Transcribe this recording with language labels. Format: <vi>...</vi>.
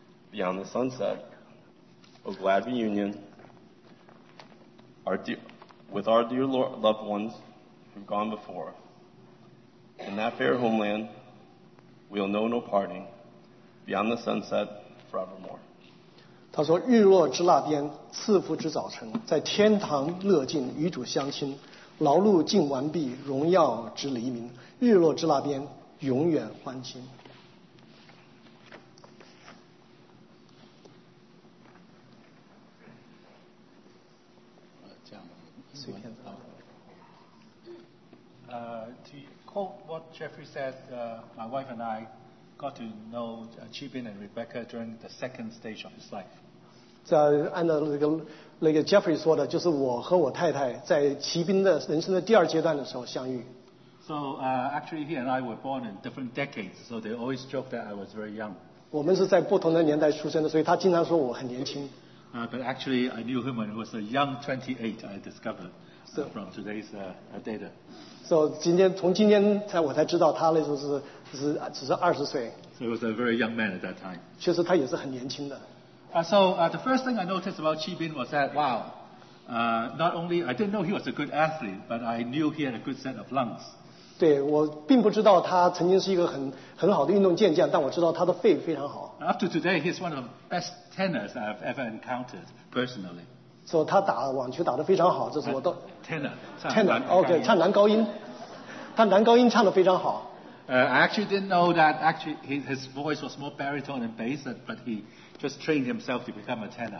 <en>Beyond the sunset, O glad reunion, with our dear loved ones who've gone before. In that fair homeland, we'll know no parting. Beyond the sunset, forevermore.</en> <zh>他说：“日落之那边，赐福之早晨，在天堂乐尽，与主相亲，劳碌尽完毕，荣耀之黎明。日落之那边，永远欢欣。”</zh> <en>To quote what Jeffrey said, my wife and I got to know Chibin and Rebecca during the second stage of his life.</en> <zh>按照那个 Jeffrey 说的，就是我和我太太在齐斌的人生的第二阶段的时候相遇。</zh> <en>So actually, he and I were born in different decades, so they always joke that I was very young.</en> <zh>我们是在不同的年代出生的，所以他经常说我很年轻。</zh> <en>But actually, I knew him when he was a young 28. I discovered from today's data.</en> <zh>So 今天从今天才我才知道他那时候只是二十岁。</zh> <en>So he was a very young man at that time.</en> <zh>其实他也是很年轻的。</zh> <en>The first thing I noticed about Chibin was that wow, not only I didn't know he was a good athlete, but I knew he had a good set of lungs.</en> <zh>对，我并不知道他曾经是一个很好的运动健将，但我知道他的肺非常好。</zh> <en>Up to today, he's one of the best tenors I've ever encountered personally.</en> <zh>So 他打网球打得非常好，这是我的</zh> <en>tenor.</en> <zh>OK, 唱男高音，他男高音唱得非常好。</zh> <en>I actually didn't know that actually his voice was more baritone than bass, but he just trained himself to become a tenor.</en>